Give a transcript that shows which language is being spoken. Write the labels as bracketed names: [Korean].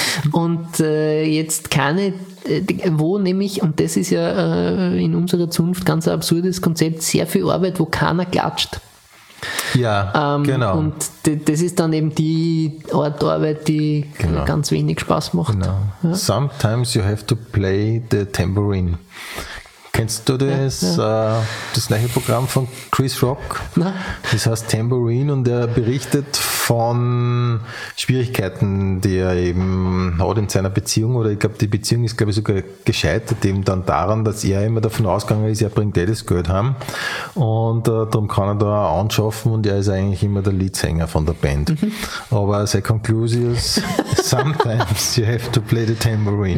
[German] Und jetzt keine, wo nämlich, und das ist ja in unserer Zunft ganz ein absurdes Konzept, sehr viel Arbeit, wo keiner klatscht. Ja, genau. Und das ist dann eben die Art Arbeit, die ganz wenig Spaß macht. Genau. Ja? [English] Sometimes you have to play the tambourine. [German] Kennst du das? Ja, ja. Das neue Programm von Chris Rock? Nein. Das heißt Tambourine und er berichtet von Schwierigkeiten, die er eben hat in seiner Beziehung. Oder ich glaube, die Beziehung ist, glaube ich, sogar gescheitert eben dann daran, dass er immer davon ausgegangen ist, er bringt eh das Geld heim. Und darum kann er da auch anschaffen und er ist eigentlich immer der Leadsänger von der Band. Mhm. Aber seine Conclusion ist, [English] sometimes you have to play the tambourine.